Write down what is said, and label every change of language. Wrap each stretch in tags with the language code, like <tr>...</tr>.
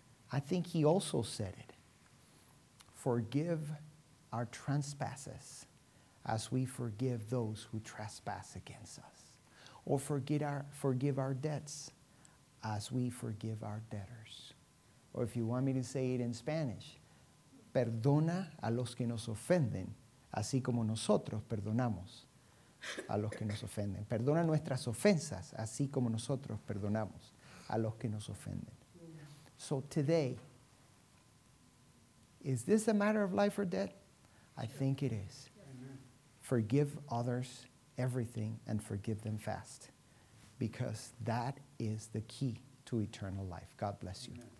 <en>I think he also said it. Forgive our trespasses as we forgive those who trespass against us. Or forgive our debts as we forgive our debtors.</en> <es>Or if you want me to say it in Spanish, perdona a los que nos ofenden, así como nosotros perdonamos a los que nos ofenden. Perdona nuestras ofensas, así como nosotros perdonamos a los que nos ofenden.</es> <en>So today, is this a matter of life or death? I think it is. Forgive others everything and forgive them fast, because that is the key to eternal life. God bless you. Amen.</en>